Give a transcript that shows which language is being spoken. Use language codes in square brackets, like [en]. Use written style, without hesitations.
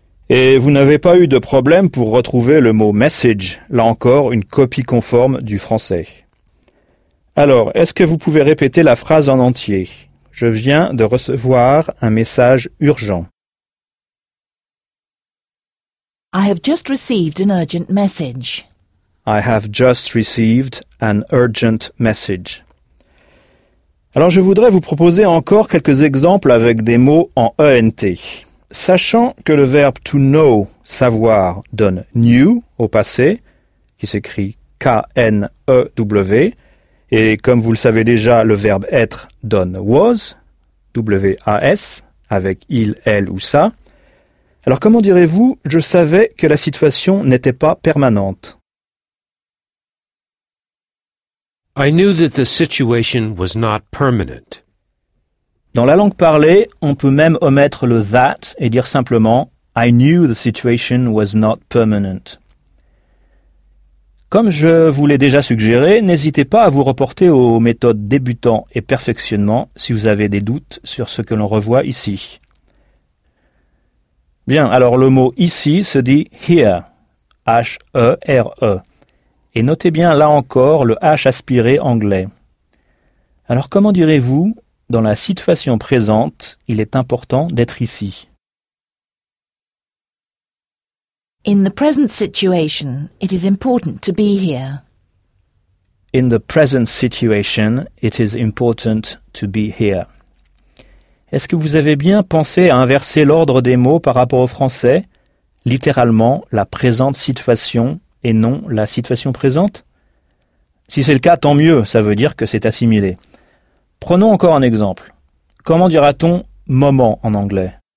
[fr] Et vous n'avez pas eu de problème pour retrouver le mot message, là encore une copie conforme du français. Alors, est-ce que vous pouvez répéter la phrase en entier? Je viens de recevoir un message urgent. [en] I have just received an urgent message. I have just received an urgent message. [fr] Alors, je voudrais vous proposer encore quelques exemples avec des mots en ENT. Sachant que le verbe to know, savoir, donne knew au passé, qui s'écrit K-N-E-W, et comme vous le savez déjà, le verbe être donne was, W-A-S, avec il, elle ou ça. Alors, comment direz-vous, je savais que la situation n'était pas permanente? [en] I knew that the situation was not permanent. [fr] Dans la langue parlée, on peut même omettre le that et dire simplement [en] I knew the situation was not permanent. [fr] Comme je vous l'ai déjà suggéré, n'hésitez pas à vous reporter aux méthodes débutant et perfectionnement si vous avez des doutes sur ce que l'on revoit ici. Bien, alors le mot ici se dit here, H-E-R-E. Et notez bien là encore le H aspiré anglais. Alors comment direz-vous, dans la situation présente, il est important d'être ici? [en] In the present situation, it is important to be here. In the present situation, it is important to be here. [fr] Est-ce que vous avez bien pensé à inverser l'ordre des mots par rapport au français? Littéralement, la présente situation et non la situation présente? Si c'est le cas, tant mieux, ça veut dire que c'est assimilé. Prenons encore un exemple. Comment dira-t-on « moment » en anglais?